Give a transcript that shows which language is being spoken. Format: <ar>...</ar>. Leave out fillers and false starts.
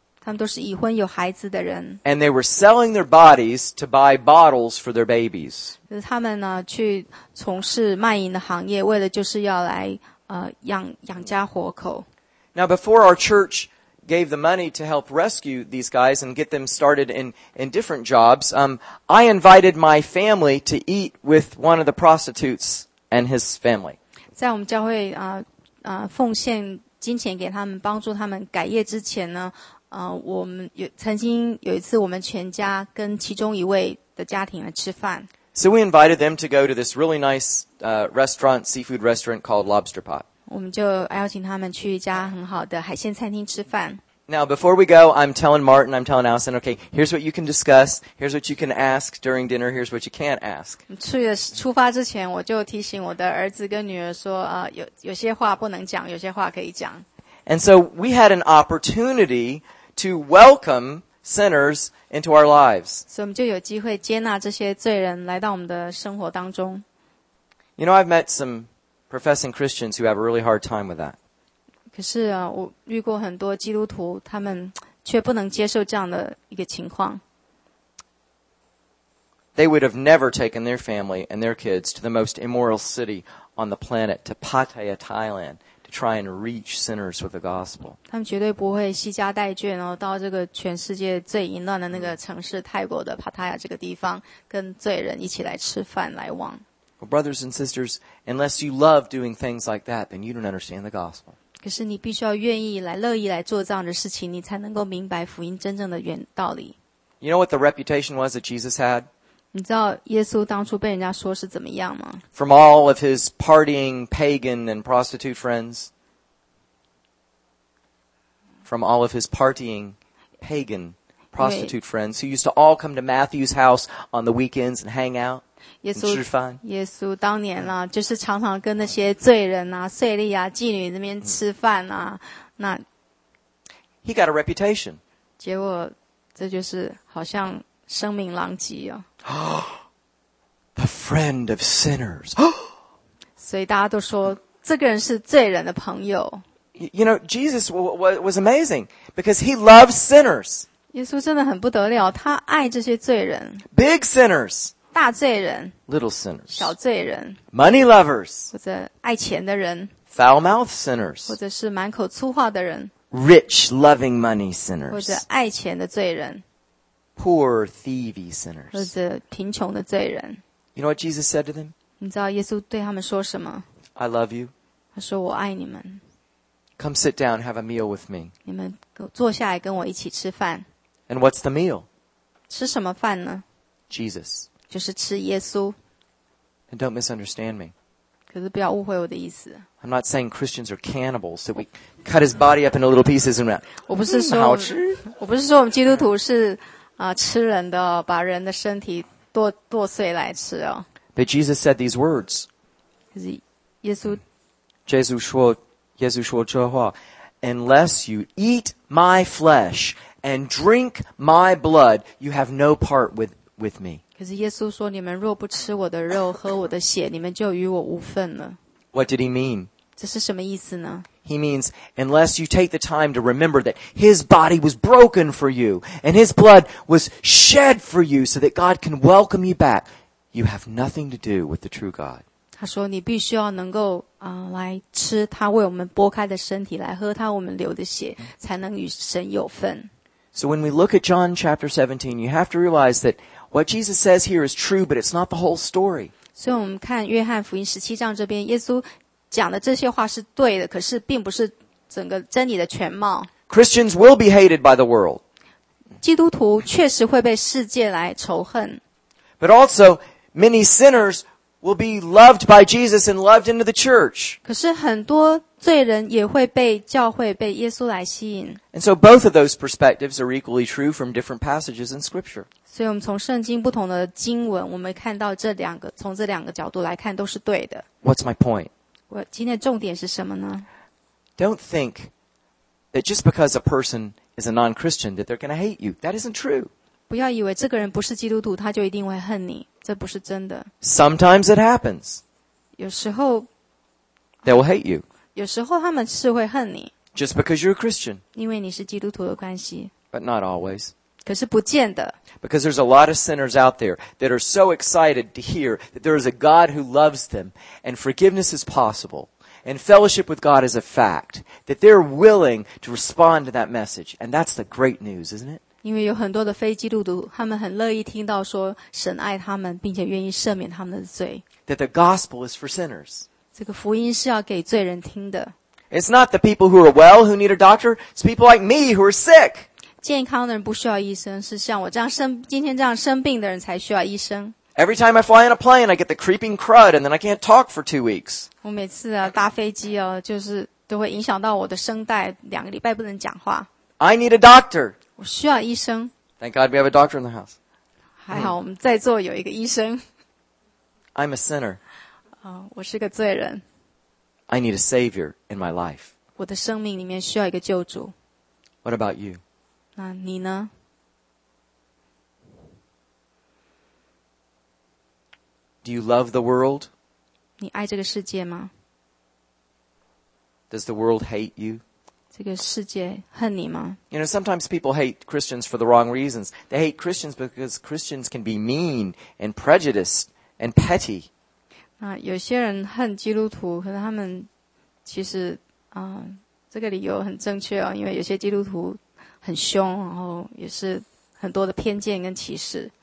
<zh>他们都是已婚有孩子的人。</zh> <en>And they were selling their bodies to buy bottles for their babies.</en> <zh>就是他们呢去从事卖淫的行业，为了就是要来养家活口。</zh> <en>Now before our church gave the money to help rescue these guys and get them started in different jobs, I invited my family to eat with one of the prostitutes and his family.</en> <zh>在我们教会奉献金钱给他们帮助他们改业之前呢，我们曾经有一次我们全家跟其中一位的家庭来吃饭。</zh> <en>So we invited them to go to this really nice restaurant, seafood restaurant called Lobster Pot.</en> <zh>我们就邀请他们去一家很好的海鲜餐厅吃饭。</zh> <en>Now, before we go, I'm telling Martin, I'm telling Allison, okay, here's what you can discuss, here's what you can ask during dinner, here's what you can't ask.</en> <zh>出发之前我就提醒我的儿子跟女儿说有些话不能讲，有些话可以讲。</zh> <en>And so we had an opportunity to welcome sinners into our lives.</en> <zh>所以我们就有机会接纳这些罪人来到我们的生活当中。</zh> <en>You know, I've met someprofessing Christians who have a really hard time with that.</en> <zh>可是我遇过很多基督徒，他们却不能接受这样的一个情况。</zh> <en>They would have never taken their family and their kids to the most immoral city on the planet, to Pattaya, Thailand, to try and reach sinners with the gospel.</en> <zh>他们绝对不会携家带眷哦，到这个全世界最淫乱的那个城市泰国的 Pattaya 这个地方，跟罪人一起来吃饭来往。</zh> <en>Well, brothers and sisters, unless you love doing things like that, then you don't understand the gospel.</en> <zh>可是你必须要愿意来乐意来做这样的事情，你才能够明白福音真正的原道理。</zh> <en>You know what the reputation was that Jesus had?</en> <zh>你知道耶稣当初被人家说是怎么样吗？</zh> <en>From all of his partying pagan and prostitute friends. From all of his partying pagan prostitute friends who used to all come to Matthew's house on the weekends and hang out.</en> <zh>耶稣当年啦，就是常常跟那些罪人啊、税吏啊、妓女那边吃饭啊。那</zh> <en>he got a reputation.</en> <zh>结果这就是好像声名狼藉啊。</zh> <en>The friend of sinners.</en> <zh>所以大家都说这个人是罪人的朋友。</zh> <en>You know, Jesus was amazing because he loves sinners.</en> <zh>耶稣真的很不得了，他爱这些罪人。</zh> <en>Big sinners.</en> <zh>大罪人</zh> <en>，little sinners，</en> <zh>小罪人</zh> <en>，money lovers，</en> <zh>或者爱钱的人</zh> <en>，foul mouth sinners，</en> <zh>或者是满口粗话的人</zh> <en>，rich loving money sinners，</en> <zh>或者爱钱的罪人</zh> <en>，poor thievy sinners，</en> <zh>或者贫穷的罪人。</zh> <en>You know what Jesus said to them？</en> <zh>你知道耶稣对他们说什么</zh> <en>？I love you。</en> <zh>他说我爱你们。</zh> <en>Come sit down, have a meal with me。</en> <zh>你们坐下来跟我一起吃饭。</zh> <en>And what's the meal？</en> <zh>吃什么饭呢</zh> <en>？Jesus。</en> <zh>就是吃耶稣。</zh> <en>And don't misunderstand me.</en> <zh>可是不要误会我的意思。</zh> <en>I'm not saying Christians are cannibals, that we cut his body up into little pieces and that.</en> <zh>我不是说好吃，我不是说我们基督徒是吃人的，把人的身体剁碎来吃哦。</zh> <en>But Jesus said these words.</en> <zh>可是耶稣。耶稣说这话</zh> <en>，Unless you eat my flesh and drink my blood, you have no part with me.</en> <zh>可是耶稣说，你们若不吃我的肉，喝我的血，你们就与我无份了。</zh> <en>What did he mean?</en> <zh>这是什么意思呢？</zh> <en>He means, unless you take the time to remember that his body was broken for you, and his blood was shed for you so that God can welcome you back, you have nothing to do with the true God.</en> <zh>他说，你必须要能够来吃他为我们剥开的身体，来喝他我们流的血，才能与神有份。</zh> <en>So when we look at John chapter 17, you have to realize that what Jesus says here is true, but it's not the whole story.</en> <zh>所以我们看约翰福音十七章这边，耶稣讲的这些话是对的，可是并不是整个真理的全貌。</zh> <en>Christians will be hated by the world.</en> <zh>基督徒确实会被世界来仇恨。</zh> <en>But also, many sinners will be loved by Jesus and loved into the church.</en> <zh>可是很多罪人也会被教会、被耶稣来吸引。</zh> <en>And so both of those perspectives are equally true from different passages in Scripture.</en> <zh>所以我们从圣经不同的经文，我们看到这两个，从这两个角度来看都是对的。</zh> <en>What's my point?</en> <zh>我今天的重点是什么呢？</zh> <en>Don't think that just because a person is a non-Christian that they're going to hate you. That isn't true.</en> <zh>不要以为这个人不是基督徒，他就一定会恨你。这不是真的。</zh> <en>Sometimes it happens.</en> <zh>有时候</zh> <en>they will hate you.</en> <zh>有时候他们是会恨你。</zh> <en>Just because you're a Christian.</en> <zh>因为你是基督徒的关系。</zh> <en>But not always.</en> <zh>可是不见得。</zh> <en>Because there's a lot of sinners out there that are so excited to hear that there is a God who loves them and forgiveness is possible and fellowship with God is a fact that they're willing to respond to that message. And that's the great news, isn't it?</en> <zh>因为有很多的非基督徒，他们很乐意听到说神爱他们，并且愿意赦免他们的罪。</zh> <en>That the gospel is for sinners.</en> <zh>这个福音是要给罪人听的。</zh> <en>It's not the people who are well who need a doctor. It's people like me who are sick.</en> <zh>健康的人不需要医生，是像我这样生今天这样生病的人才需要医生。</zh> <en>Every time I fly on a plane, I get the creeping crud, and then I can't talk for 2 weeks.</en> <zh>我每次啊搭飞机哦，就是都会影响到我的声带，两个礼拜不能讲话。</zh> <en>I need a doctor.</en> <zh>我需要医生。</zh> <en>Thank God we have a doctor in the house.</en> <zh>还好我们在座有一个医生。</zh> <en>I'm a sinner.</en> <zh>我是个罪人。</zh> <en>I need a savior in my life.</en> <zh>我的生命里面需要一个救主。</zh> <en>What about you?</en> <zh>那你呢？</zh> <en>Do you love the world?</en> <zh>你爱这个世界吗？</zh> <en>Does the world hate you?</en> <zh>这个世界恨你吗？</zh> <en>You know, sometimes people hate Christians for the wrong reasons. They hate Christians because Christians can be mean and prejudiced and petty.</en> <zh>那有些人恨基督徒，可是他们其实啊，这个理由很正确哦，因为有些基督徒很凶，然后也是很多的偏见跟歧视。</zh>